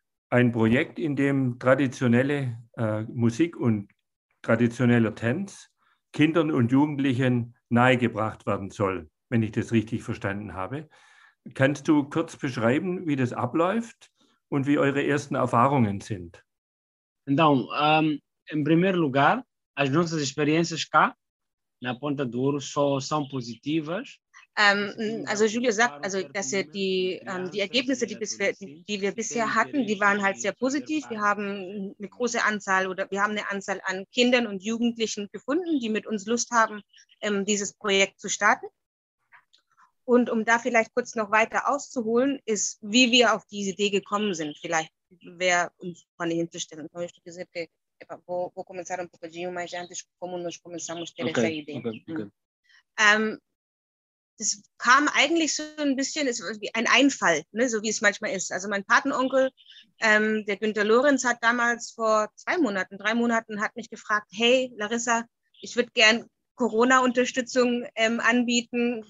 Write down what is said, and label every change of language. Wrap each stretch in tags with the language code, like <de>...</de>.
<de>Ein Projekt, in dem traditionelle Musik und traditioneller Tanz Kindern und Jugendlichen nahegebracht werden soll, wenn ich das richtig verstanden habe. Kannst du kurz beschreiben, wie das abläuft und wie eure ersten Erfahrungen sind?</de> <pt>Então, em primeiro lugar, as nossas experiências cá na Ponta do Ouro só são positivas.</pt> <de>Also Julio sagt, also dass die Ergebnisse, die wir bisher hatten, die waren halt sehr positiv. Wir haben eine Anzahl an Kindern und Jugendlichen gefunden, die mit uns Lust haben, dieses Projekt zu starten. Und um da vielleicht kurz noch weiter auszuholen, ist, wie wir auf diese Idee gekommen sind. Vielleicht wer uns vorne hinzustellen.</de> <pt>Eu estou dizendo que vou começar pouquinho mais antes, como nós começamos a ter essa ideia.</pt> <de>Es kam eigentlich so ein bisschen, es war wie ein Einfall, ne, so wie es manchmal ist. Also mein Patenonkel, der Günther Lorenz, hat damals vor drei Monaten, hat mich gefragt, hey Larissa, ich würde gern Corona-Unterstützung anbieten.</de>